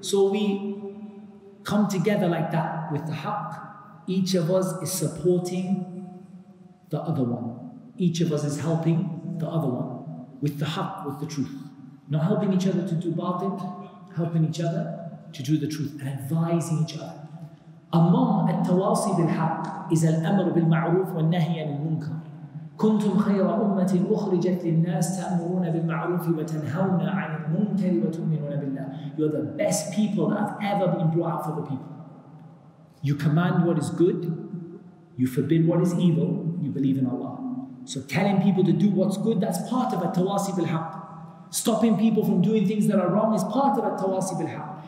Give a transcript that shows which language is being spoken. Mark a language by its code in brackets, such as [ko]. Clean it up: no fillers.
[en] So we come together like that with the haqq. Each of us is supporting the other one. Each of us is helping the other one with the haqq, with the truth. Not helping each other to do batil, helping each other to do the truth and advising each other. Among [ar] التواصي بالحق is الأمر بالمعروف والنهي عن المنكر. كنتم خير أمة أخرجت للناس تأمرون بالمعروف وتنهون عن المنكر وتؤمنون بالله. [en] You are the best people that have ever been brought out for the people. You command what is good, you forbid what is evil, you believe in Allah. So telling people to do what's good, that's part of التواصي بالحق. Stopping people from doing things that are wrong is part of التواصي بالحق.